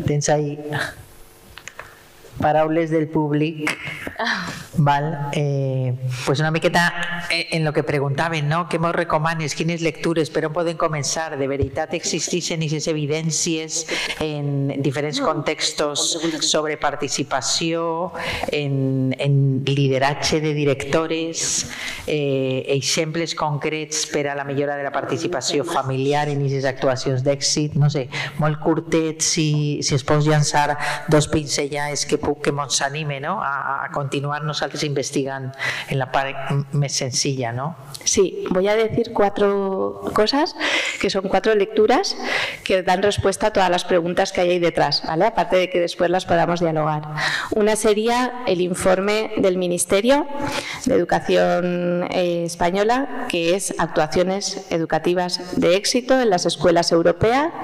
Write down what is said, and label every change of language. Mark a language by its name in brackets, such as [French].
[Catalan] Tens ahí paraules del públic. Val, pues una miqueta en lo que preguntaven, ¿no? ¿Qué mos recomanes? ¿Quines lectures? ¿Per on poden començar? ¿De veritat existeixen aquestes evidències en diferents contextos sobre participació, en lideratge de directores, exemples concrets per a la millora de la participació familiar en aquestes actuacions d'èxit? No sé, molt curtet, si es pots llançar dos pinzellades que mos anime, ¿no? A continuar nosaltres investigant en la part més senzilla, no? [Spanish] Sí, voy a decir 4 cosas, que son 4 lecturas que dan respuesta a todas las preguntas que hay ahí detrás, ¿vale? Aparte de que después las podamos dialogar. Una sería el informe del Ministerio de Educación Española, que es Actuaciones Educativas de Éxito en las Escuelas Europeas.